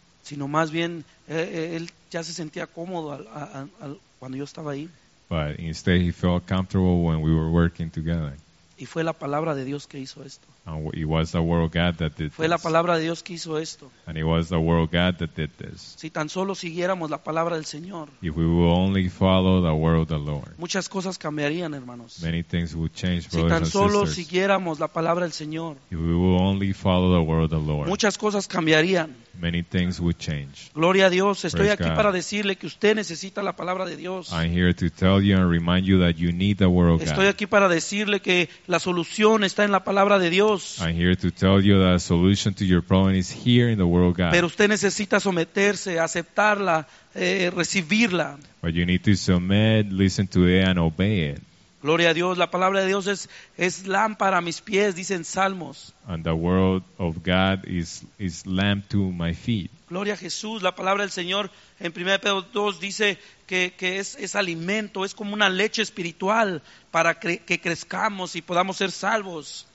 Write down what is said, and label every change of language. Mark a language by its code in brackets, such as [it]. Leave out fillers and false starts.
[es] Sino más bien, él ya se sentía cómodo cuando yo estaba ahí. [en] But instead he felt comfortable when we were working together. [es] Y fue la palabra de Dios que hizo esto. [en] And it was the word of God that did this. [es] Fue la palabra de Dios que hizo esto. [en] And it was the word of God that did this. [es] Si tan solo siguiéramos la palabra del Señor. [en] If we would only follow the word of the Lord. [es] Muchas cosas cambiarían, hermanos. [en] Many things would change, brothers and sisters. [es] Si tan solo siguiéramos la palabra del Señor. [en] If we would only follow the word of the Lord. [es] Muchas cosas cambiarían. [en] Many things would change. [es] Gloria a Dios. Estoy aquí para decirle que usted necesita la palabra de Dios. [en] I'm here to tell you and remind you that you need the word of God. [es] Estoy aquí para decirle que la solución está en la palabra de Dios. [en] I'm here to tell you that the solution to your problem is here in the word of God. [es] Pero usted necesita someterse, aceptarla, recibirla. [en] But you need to submit, listen to it and obey it. [es] Gloria a Dios. La palabra de Dios es lámpara a mis pies, dicen Salmos. [en] And the word of God is lamp to my feet. [es] Gloria a Jesús. La palabra del Señor en 1 Pedro 2 dice que es alimento, es como una leche espiritual para que crezcamos y podamos ser salvos.